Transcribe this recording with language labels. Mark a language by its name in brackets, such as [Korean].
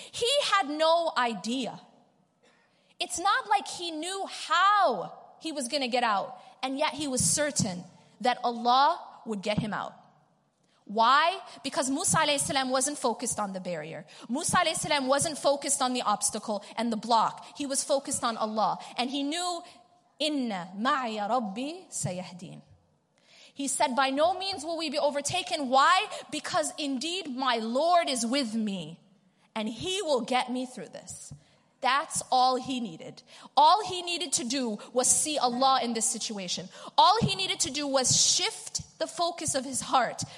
[English] He had no idea. It's not like he knew how he was going to get out. And yet he was certain that Allah would get him out. Why? Because Musa alayhi salam wasn't focused on the barrier. Musa alayhi salam wasn't focused on the obstacle and the block. He was focused on Allah. And he knew, [Arabic] إِنَّ مَعْيَ رَبِّي سَيَهْدِينَ. [English] He said, by no means will we be overtaken. Why? Because indeed my Lord is with me. And he will get me through this. That's all he needed. All he needed to do was see Allah in this situation. All he needed to do was shift the focus of his heart.